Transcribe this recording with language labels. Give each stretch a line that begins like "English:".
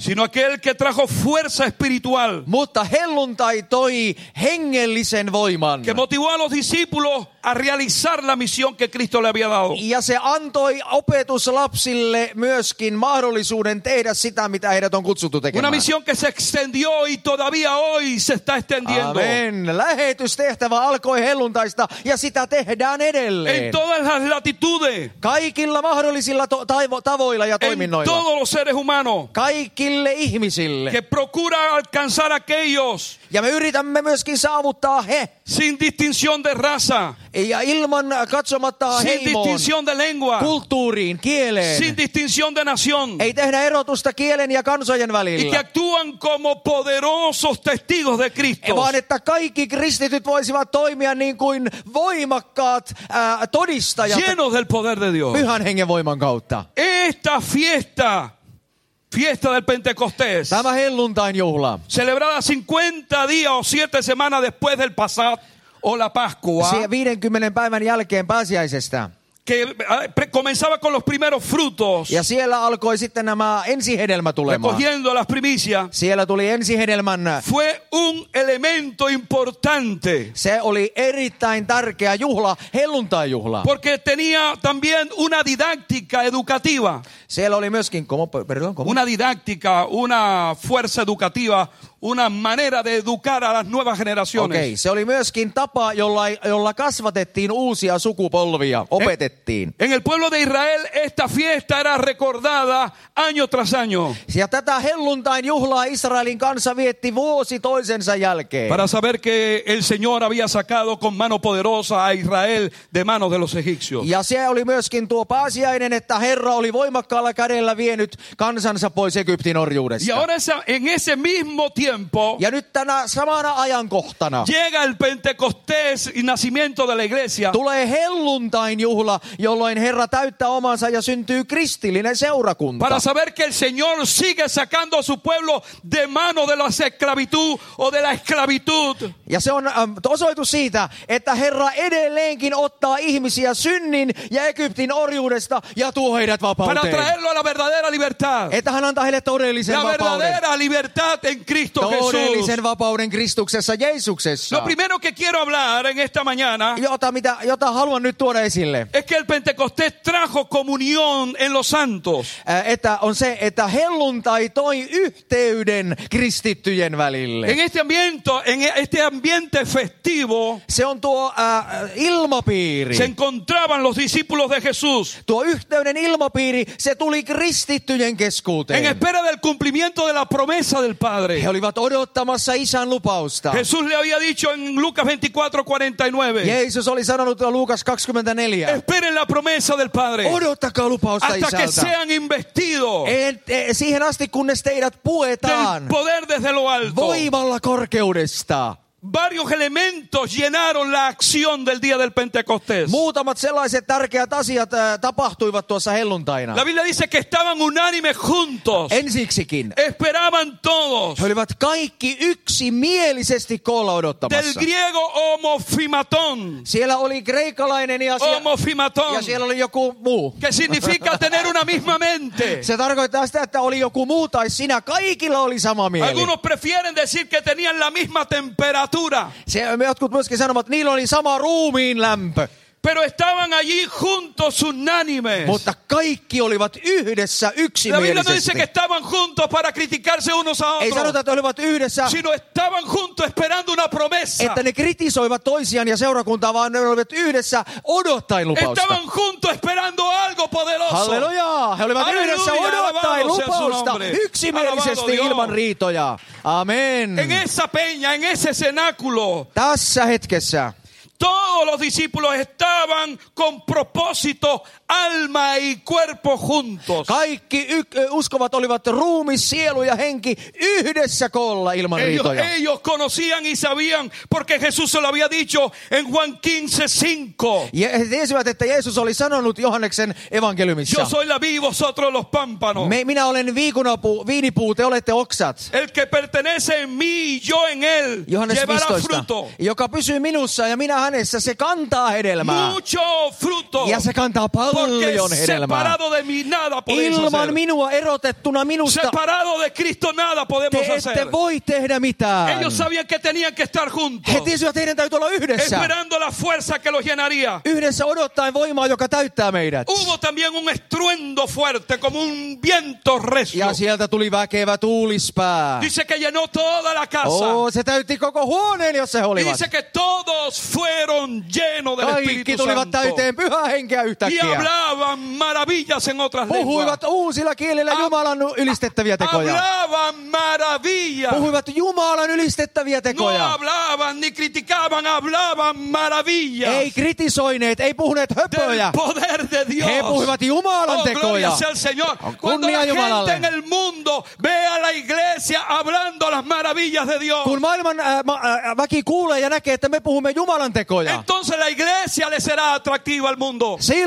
Spanish: Sino aquel que trajo fuerza espiritual.
Finnish: Mutta helluntai toi hengellisen voiman.
Spanish: Que motivó a los discípulos a realizar la misión que Cristo le había dado.
Finnish: Ja se antoi opetuslapsille myöskin mahdollisuuden tehdä sitä, mitä heidät on kutsuttu tekemään.
Spanish: Una misión que se extendió y todavía hoy se está extendiendo. Amen.
Finnish: Lähetystehtävä alkoi helluntaista ja sitä tehdään edelleen.
Spanish: En todas las latitudes.
Finnish: Kaikilla mahdollisilla tavoilla ja toiminnoilla.
Spanish: En todos los seres humanos.
Finnish: Kaikille ihmisille.
Spanish: Que procura alcanzar a aquellos.
Finnish: Ja me yritämme myöskin saavuttaa he.
Spanish: Sin distinción de raza.
Finnish: Ja ilman katsomatta
Spanish: sin distinción de lengua.
Finnish: Kulttuuriin, kieleen.
Spanish: Sin distinción de nación.
Finnish: Ei tehdä erotusta kielen ja kansojen välillä.
Spanish: Y que actúan como poderosos testigos de Cristo.
Finnish: Vaan että kaikki kristityt voisivat toimia niin kuin voimakkaat todistajat.
Spanish: Llenos del poder de Dios.
Finnish: Pyhän hengen voiman kautta.
Spanish: Esta fiesta. Fiesta del Pentecostés.
Finnish: Tämä helluntain juhla.
Spanish: Celebrada 50 días o 7 semanas después del pasado o la Pascua.
Finnish: 50 päivän jälkeen pääsiäisestä.
Spanish: Que comenzaba con los primeros frutos.
Finnish: Ja siellä alkoi sitten nämä ensihedelmä tulemaan.
Spanish: Recogiendo las primicias.
Finnish: Siellä tuli ensihedelmän.
Spanish: Fue un elemento importante.
Finnish: Se oli erittäin tärkeä juhla, helluntain juhla.
Spanish: Porque tenía también una didáctica educativa.
Finnish: Siellä oli myöskin,
Spanish: ¿cómo? Una didáctica, una fuerza educativa, una manera de educar a las nuevas generaciones.
Finnish: Okei, se oli myöskin tapa, jolla kasvatettiin uusia sukupolvia, opetettiin.
Spanish: En el pueblo de Israel esta fiesta era recordada año tras año.
Finnish: Ja tätä helluntain juhlaa Israelin kansa vietti vuosi toisensa jälkeen.
Spanish: Para saber que el Señor había sacado con mano poderosa a Israel de manos de los egipcios.
Finnish: Ja se oli myöskin tuo pääsiäinen, että Herra oli voimakkaalla kädellä vienyt kansansa pois Egyptin orjuudesta. Ja onessa,
Spanish: en ese mismo tiempo.
Finnish: Ja nyt tänä samana ajankohtana.
Spanish: Llega el Pentecostés y nacimiento de la iglesia.
Finnish: Tulee helluntain juhla, jolloin Herra täyttää omansa ja syntyy kristillinen seurakunta.
Spanish: Para saber que el Señor sigue sacando a su pueblo de mano de la esclavitud o de la esclavitud.
Finnish: Ja se on osoitus siitä, että Herra edelleenkin ottaa ihmisiä synnin ja Egyptin orjuudesta ja tuo heidät vapauteen.
Spanish: Para traerlo a la verdadera libertad.
Finnish: Että hän antaa heille todellisen vapauden.
Spanish: La verdadera libertad en Cristo Jesús.
Finnish: Todellisen vapauden Kristuksessa, Jeesuksessa.
Spanish: Lo primero que quiero hablar en esta mañana.
Finnish: Jota haluan nyt tuoda esille.
Spanish: Es que el Pentecostés trajo comunión en los santos.
Finnish: Että on se, että helluntai toi yhteyden kristittyjen välille.
Spanish: En este ambiente, festivo.
Finnish: Se on tuo ilmapiiri.
Spanish: Se encontraban los discípulos de Jesús.
Finnish: Tuo yhteyden ilmapiiri, se tuli kristittyjen keskuuteen.
Spanish: En espera del cumplimiento de la promesa del Padre.
Finnish: He olivat odottamassa isän lupausta.
Spanish: Jesús le había dicho en Lucas 24:49.
Finnish: Jeesus oli sanonut Lukas 24.
Spanish: Esperen la promesa del Padre.
Finnish: Odottakaa lupausta
Spanish: hasta
Finnish: isältä.
Spanish: Hasta que sean investidos.
Finnish: Siihen asti, kunnes teidät puetaan.
Spanish: Del poder desde lo alto.
Finnish: Voimalla korkeudesta.
Spanish: Varios elementos llenaron la acción del día del Pentecostés.
Finnish: Muutamat sellaiset tärkeät asiat tapahtuivat tuossa helluntaina.
Spanish: La Biblia dice que estaban unánimes juntos.
Finnish: Ensiksikin.
Spanish: Esperaban todos.
Finnish: He olivat kaikki yksimielisesti koolla odottamassa.
Spanish: Del griego homofimatón.
Finnish: Siellä oli kreikkalainen ja homofimatón. Ja siellä oli joku muu.
Spanish: Que significa tener una misma mente.
Finnish: Se tarkoittaa sitä, että oli joku muu tai sinä. Kaikilla oli sama mieli.
Spanish: Algunos prefieren decir que tenían la misma temperatura.
Finnish: Se jotkut myöskin sanovat, että niillä oli sama ruumiin lämpö.
Spanish: Pero estaban allí juntos unánimes.
Finnish: Mutta kaikki olivat yhdessä yksimielisesti.
Spanish: La Biblia no dice que estaban juntos para criticarse unos a otros.
Finnish: Ei sanota, että olivat yhdessä.
Spanish: Sino estaban juntos esperando una promesa.
Finnish: Että ne kritisoivat toisiaan ja seurakuntaa, vaan ne olivat yhdessä odottaen lupausta.
Spanish: Estaban juntos esperando algo poderoso.
Finnish: Halleluja! He olivat yhdessä odottaen lupausta yksimielisesti ilman riitoja. Amen.
Spanish: En esa peña, en ese cenáculo.
Finnish: Tässä hetkessä.
Spanish: Todos los discípulos estaban con propósito, alma y cuerpo juntos.
Finnish: Kaikki uskovat olivat ruumi, sielu ja henki yhdessä koolla ilman riitoja.
Spanish: Ellos conocían y sabían porque Jesús se lo había dicho en Juan 15:5.
Finnish: Ja he tiesivät, että Jeesus oli sanonut Johanneksen evankeliumissa.
Spanish: Yo soy la vid, vosotros los pámpanos.
Finnish: Minä olen viinipuu, te olette oksat.
Spanish: El que pertenece en mí y yo en él llevará fruto.
Finnish: Joka pysyy minussa ja minä hänessä, se kantaa hedelmää.
Spanish: Mucho fruto.
Finnish: Ja se kantaa paljon hedelmää.
Spanish: De mi nada
Finnish: ilman
Spanish: hacer.
Finnish: Minua erotettuna minusta.
Spanish: Separado de Cristo nada podemos
Finnish: te
Spanish: hacer.
Finnish: Ette voi tehdä mitään.
Spanish: Ellos sabían que tenían que estar juntos.
Finnish: He tiesivät, että heidän täytyy olla yhdessä.
Spanish: Esperando la fuerza que los llenaría.
Finnish: Yhdessä odottaen voimaa, joka täyttää meidät.
Spanish: Hubo también un estruendo fuerte como un viento recio.
Finnish: Ja sieltä tuli väkevä tuulispää.
Spanish: Dice que llenó toda la casa.
Finnish: Oh, se täytti koko huoneen, jos se olivat.
Spanish: Dice que todos fueron llenos del Espíritu Santo.
Finnish: Kaikki tulivat täyteen pyhää henkeä yhtäkkiä.
Spanish: Hablaban maravillas en otras lenguas.
Finnish: Puhuivat uusilla kielillä Jumalan ylistettäviä tekoja.
Spanish: Hablaban maravillas.
Finnish: Puhuivat Jumalan ylistettäviä tekoja.
Spanish: No hablaban ni criticaban, hablaban maravillas.
Finnish: Ei kritisoineet, ei puhuneet höpöjä.
Spanish: Del poder de Dios.
Finnish: He puhuivat Jumalan tekoja.
Spanish: Gloria sea al Señor.
Finnish: Kunnia Jumalalle.
Spanish: Cuando la gente en el mundo ve a la iglesia hablando las maravillas de Dios.
Finnish: Kun maailman väki kuulee ja näkee, että me puhumme Jumalan tekoja.
Spanish: Entonces la iglesia le será atractiva al mundo.